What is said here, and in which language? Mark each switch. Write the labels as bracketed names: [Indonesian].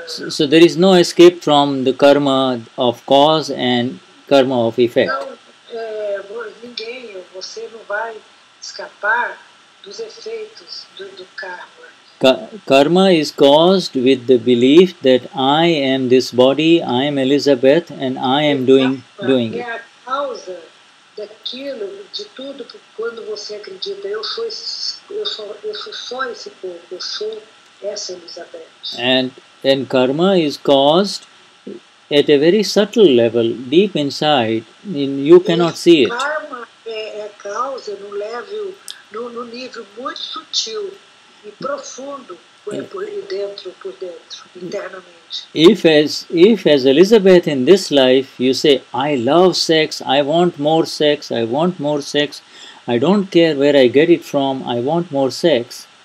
[English] So there is no escape from the karma of cause and karma of effect. [Portuguese] Então, ninguém, você não vai escapar dos efeitos do karma. [English] Karma is caused with the belief that I am this body, I am Elizabeth, and I am doing it. [Portuguese] É a causa daquilo, de tudo, quando você acredita, eu sou só esse corpo, eu sou essa Elizabeth. [English] And karma is caused at a very subtle level, deep inside, you cannot see it. [Portuguese] Karma é a causa no level, no nível muito sutil e profundo, por dentro, internamente. [English] If as Elizabeth in this life, you say, I love sex, I want more sex, I want more sex, I don't care where I get it from, I want more sex.